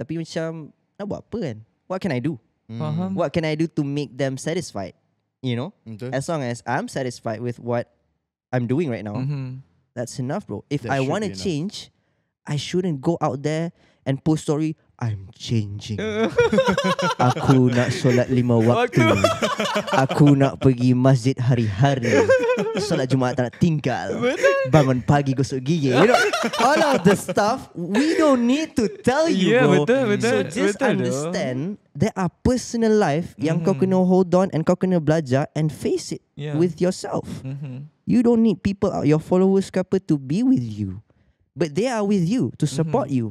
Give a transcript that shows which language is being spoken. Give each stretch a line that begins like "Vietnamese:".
Malay: Tapi macam nak buat apa kan?
English: What can I do? Mm-hmm. What can I do to make them satisfied? You know?
Malay: Betul.
English: As long as I'm satisfied with what I'm doing right now, that's enough bro. If that I want to change, I shouldn't go out there and post story, I'm changing.
Malay: Aku nak solat lima waktu. Aku nak pergi masjid hari-hari. Solat Jumaat tak nak tinggal. Bangun pagi gosok gigi.
English: You know, all of the stuff, we don't need to tell you, yeah, bro.
Malay: Betul.
English: So just understand, there are personal life
Malay: yang kau kena
English: hold on and
Malay: kau kena belajar
English: and face it with yourself. Mm-hmm. You don't need people, your followers
Malay: ke apa,
English: to be with you. But they are with you to support you.